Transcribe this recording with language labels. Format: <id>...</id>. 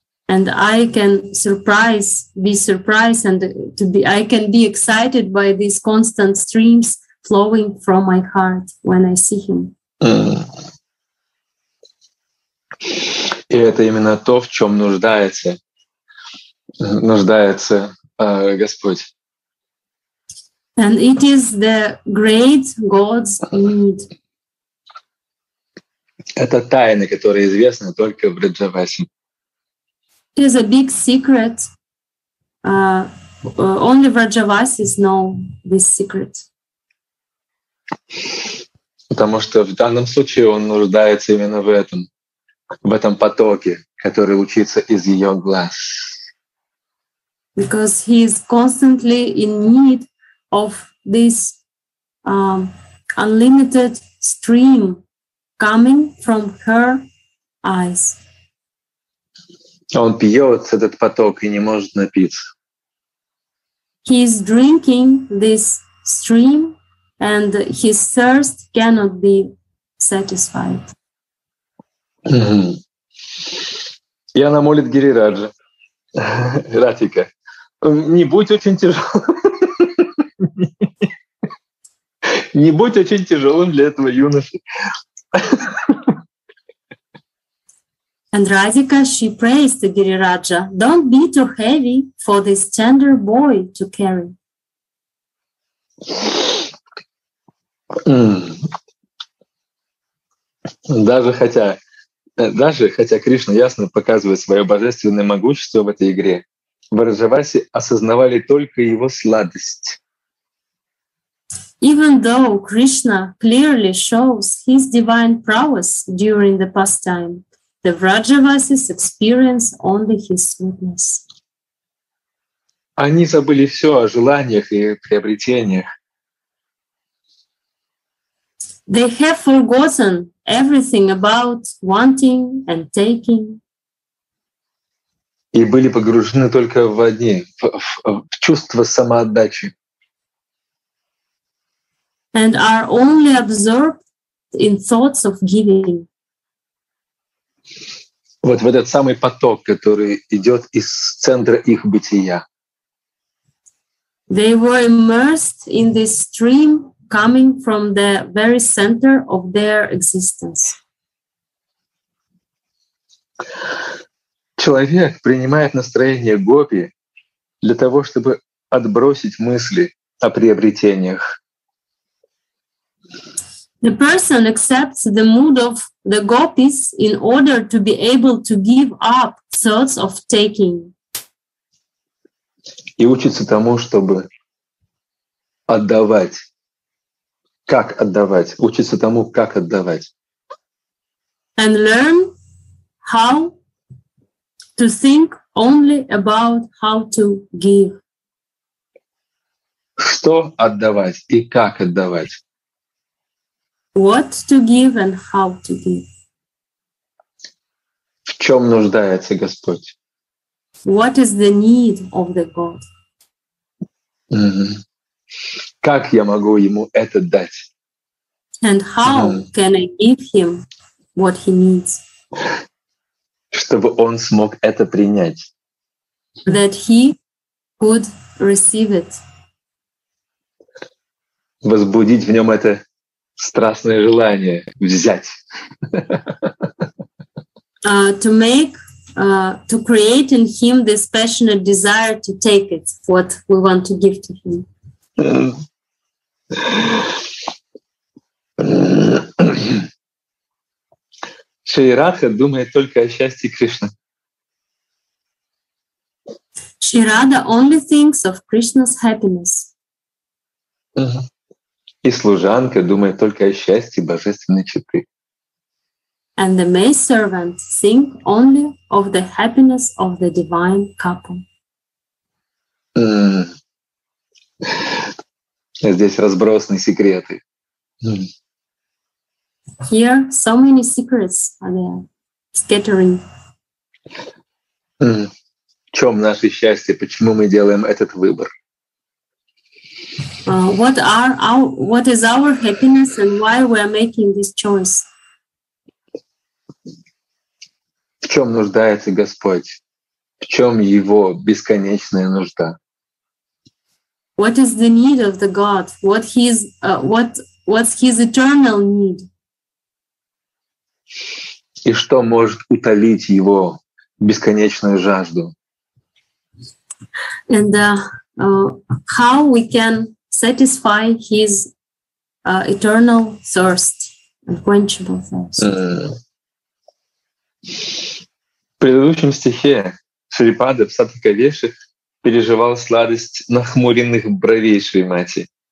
<en>And I can be surprised and I can be excited by these constant streams flowing from my heart when I see him.</en> <ru>И это именно то, в чем нуждается Господь.</ru> <en>And it is the great God's need.</en> <ru>Это тайна, которая известна только в Раджавасе.</ru> <en>It is a big secret. Only Vrajavasis know this secret.</en> <ru>Потому что в данном случае он нуждается именно в этом потоке, который лучится из ее глаз.</ru> <en>Because he is constantly in need of this unlimited stream coming from her eyes.</en> <ru>Он пьет этот поток и не может напиться.</ru> <en>He is drinking this stream, and his thirst cannot be satisfied.</en> <ru>И она молит Гирираджа, Радхика, не будь очень тяжелым. Не будь очень тяжелым для этого юноши.</ru> <en>And Radhika, she prays to Giriraja, don't be too heavy for this tender boy to carry.</en> <ru>Даже хотя Кришна ясно показывает свое божественное могущество в этой игре, Враджаваси осознавали только его сладость.</ru> <en>Even though Krishna clearly shows his divine prowess during the pastime, the Vrajavasis experience only his sweetness.</en> <ru>Они забыли все о желаниях и приобретениях.</ru> <en>They have forgotten everything about wanting and taking.</en> <ru>И были погружены только в одни, в чувство самоотдачи.</ru> <en>And are only absorbed in thoughts of giving.</en> <ru>Вот в этот самый поток, который идет из центра их бытия.</ru> <en>They were immersed in this stream coming from the very center of their existence.</en> <ru>Человек принимает настроение гопи для того, чтобы отбросить мысли о приобретениях.</ru> <en>The person accepts the mood of the gopis in order to be able to give up thoughts of taking.</en> <ru>И учится тому, чтобы отдавать. Как отдавать? Учится тому, как отдавать.</ru> <en>And learn how to think only about how to give.</en> <ru>Что отдавать и как отдавать?</ru> <en>What to give and how to give.</en> <ru>В чем нуждается Господь?</ru> <en>What is the need of the God?</en> <ru>Mm-hmm. Как я могу ему это дать?</ru> <en>And how mm-hmm. can I give him what he needs?</en> <ru>Чтобы он смог это принять.</ru> <en>That he could receive it.</en> <ru>Возбудить в нем это страстное желание взять.</ru> <en>To create in him this passionate desire to take it, what we want to give to him.</en> <ru>Шри Радха думает только о счастье Кришны.</ru> <en>Шри Радха only thinks of Krishna's happiness.</en> <ru>И служанка думает только о счастье божественной четы.</ru> <en>And the maid servant think only of the happiness of the divine couple. Mm.</en> <ru>Здесь разбросаны секреты. Mm.</ru> <en>Here so many secrets are there, scattering.</en> <ru>Mm. В чем наше счастье? Почему мы делаем этот выбор?</ru> <en>What is our happiness and why we are making this choice?</en> <ru>В чем нуждается Господь? В чем его бесконечная нужда?</ru> <en>What is the need of the God? What's his eternal need?</en> <ru>И что может утолить его бесконечную жажду?</ru> <en>And how we can satisfy his eternal thirst, unquenchable thirst.</en> <ru>В предыдущем стихе Шрипада Псатхакавеши переживал сладость нахмуренных бровей Шримати.</ru>